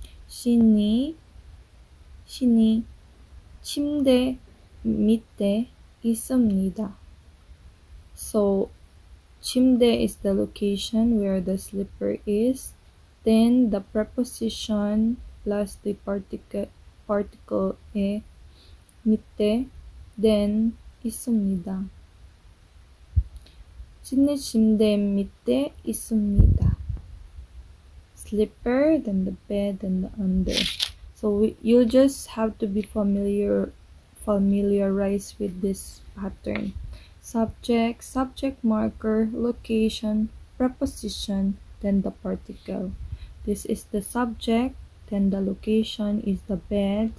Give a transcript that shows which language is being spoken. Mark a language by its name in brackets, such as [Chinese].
[Korean] 신이 침대 밑에 있습니다. [English] So 침대 is the location where the slipper is. Then the preposition plus the particle [Korean] 에 밑에, [English] then [Korean] 있습니다. 신의 침대 밑에 있습니다. [English] Slipper, then the bed, and the under. So you just have to be familiarized with this pattern. Subject, subject marker, location, preposition, then the particle. This is the subject, then the location is the bed.